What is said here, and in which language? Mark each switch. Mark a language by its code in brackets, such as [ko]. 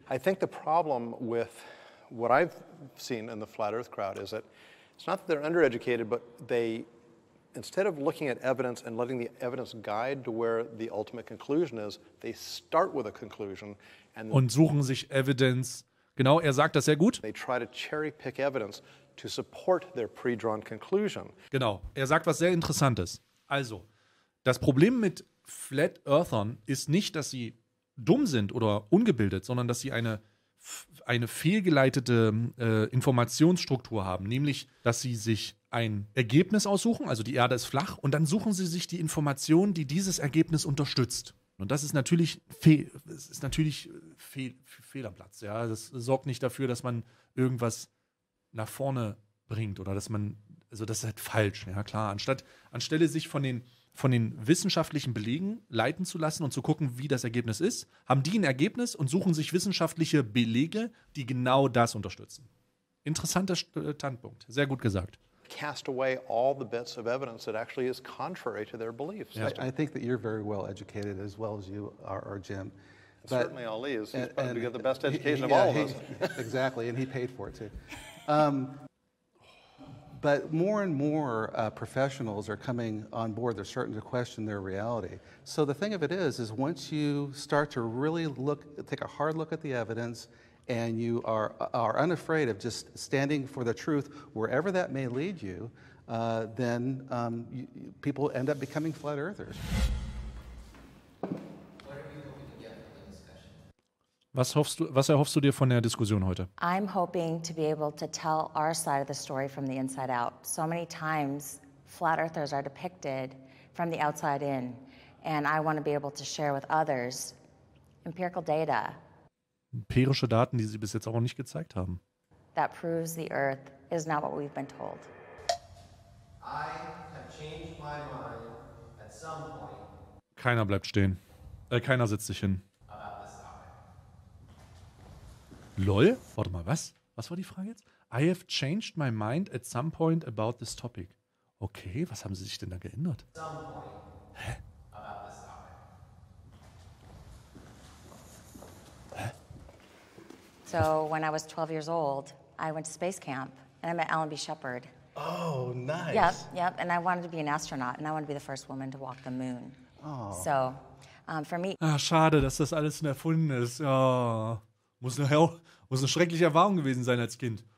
[en] I think the problem with what I've seen in the flat earth crowd is that it's not that they're undereducated, but they, instead of looking at evidence and letting the evidence guide to where the ultimate conclusion is, they start with a conclusion and [de] suchen sich evidence. Genau, sagt das sehr gut. [en] They try to cherry pick evidence to support their pre-drawn conclusion. [de] Genau, sagt was sehr Interessantes. Also, das Problem mit Flat Earthern ist nicht, dass sie dumm sind oder ungebildet, sondern dass sie eine fehlgeleitete Informationsstruktur haben, nämlich, dass sie sich ein Ergebnis aussuchen, also die Erde ist flach, und dann suchen sie sich die Information, die dieses Ergebnis unterstützt. Und das ist natürlich Fehlerplatz. Ja? Das sorgt nicht dafür, dass man irgendwas nach vorne bringt oder dass man, also das ist halt falsch, ja klar. Anstelle sich von den wissenschaftlichen Belegen leiten zu lassen und zu gucken, wie das Ergebnis ist, haben die ein Ergebnis und suchen sich wissenschaftliche Belege, die genau das unterstützen. Interessanter Standpunkt, sehr gut gesagt. [en] Cast away all the bits of evidence that actually is contrary to their beliefs. Yeah. I think that you're very well educated, as well as you are, Jim. But certainly Ali is. He's probably got the best education of all of us. Exactly, and he paid for it too. But more and more professionals are coming on board. They're starting to question their reality. So the thing of it is once you start to really take a hard look at the evidence, and you are unafraid of just standing for the truth, wherever that may lead you, then people end up becoming flat earthers. [de] Was erhoffst du dir von der Diskussion heute? [en] I'm hoping to be able to tell our side of the story from the inside out. So many times, flat earthers are depicted from the outside in, and I want to be able to share with others empirical data. [de] Empirische Daten, die sie bis jetzt auch noch nicht gezeigt haben. [en] That proves the earth is not what we've been told. I have changed my mind at some point. [de] Keiner bleibt stehen. Keiner setzt sich hin. Lol? Warte mal, was? Was war die Frage jetzt? [en] I have changed my mind at some point about this topic. [de] Okay, was haben sie sich denn da geändert? [en] Some point. Hä? So when I was 12 years old, I went to space camp and I met Alan B. Shepard. Oh, nice. Yep. And I wanted to be an astronaut and I wanted to be the first woman to walk the moon. Oh. So for me. [de] Ach, schade, dass das alles nur erfunden ist. Oh, muss eine schreckliche Erfahrung gewesen sein als Kind.